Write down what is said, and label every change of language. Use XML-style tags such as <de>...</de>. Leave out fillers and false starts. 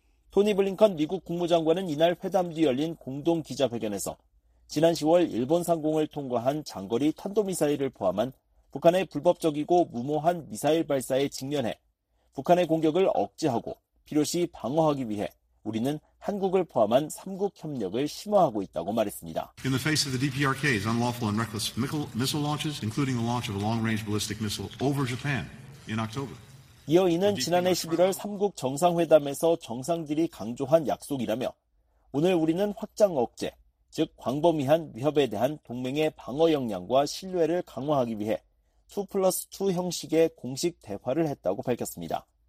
<ko>토니 블링컨 미국 국무장관은 이날 회담 뒤 열린 공동기자회견에서 지난 10월 일본 상공을 통과한 장거리 탄도미사일을 포함한 북한의 불법적이고 무모한 미사일 발사에 직면해 북한의 공격을 억제하고 필요시 방어하기 위해 우리는 한국을 포함한 3국 협력을 심화하고 있다고 말했습니다.</ko> <en>In the face of the DPRK's unlawful and reckless missile launches, including the launch of a long-range ballistic missile over Japan in October.</en> <ko>이어 이는 지난해 11월 3국 정상회담에서 정상들이 강조한 약속이라며 오늘 우리는 확장 억제, 즉 광범위한 위협에 대한 동맹의 방어 역량과 신뢰를 강화하기 위해 2+2 형식의 공식 대화를 했다고 밝혔습니다.</ko>